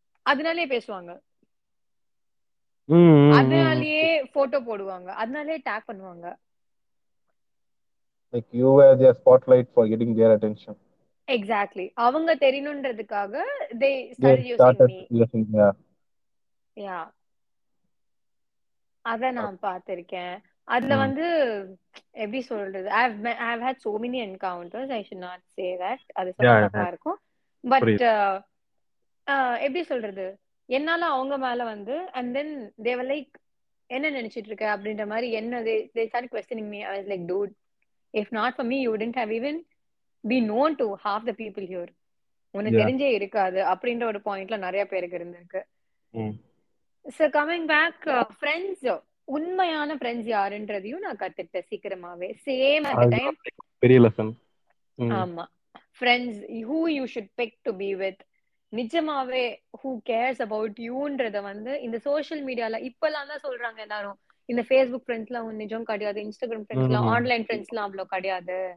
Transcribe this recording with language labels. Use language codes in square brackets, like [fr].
[ta] அதனாலே பேசுவாங்க, அதனாலேயே போட்டோ போடுவாங்க, அதனாலேயே டேக் பண்ணுவாங்க. [en] Like you were their spotlight for getting their attention. Exactly. [ta] அவங்க தெரியணுன்றதுக்காக [en] they They started using started me. using, yeah. Yeah. [ta] அத நான் பார்த்திருக்கேன். அதுல வந்து எப்படி சொல்றது, [en] I have had so many encounters, I should not say that. [ta] அது சொல்ல தப்பா இருக்கும். பட் எப்படி சொல்றது, என்னால அவங்க மேல வந்து [en] and then they were like [ta] என்ன நினைச்சிட்டு இருக்க அப்படின்ற மாதிரி என்ன [en] they started questioning me. I was like, dude, if not for me you wouldn't have even be known to half the people here. [ta] உனக்கு [en] Yeah. [ta] தெரிஞ்சே இருக்காது அப்படின்ற ஒரு பாயிண்ட்ல நிறைய பேருக்கு இருந்திருக்கு. Mm. [en] So coming back, [ta] friends, உண்மையான friends யாருன்றதையும் நான் கத்துட்டேன் சீக்கிரமாவே. [en] Same at the time. [ta] பெரிய லெசன். [en] ஆமா, friends who you should pick to be with. [ta] நிஜமாவே [en] who cares about [ta] youன்றத வந்து இந்த சோஷியல் மீடியால இப்பெல்லாம் தான் சொல்றாங்க எல்லாரும். இந்த ஃபேஸ்புக் ஃப்ரெண்ட்ஸ்லாம் ஒன்று நிஜம் கிடையாது, இன்ஸ்டாகிராம் ஃப்ரெண்ட்ஸ்லாம், ஆன்லைன் ஃப்ரெண்ட்ஸ்லாம் அவ்வளோ கிடையாது.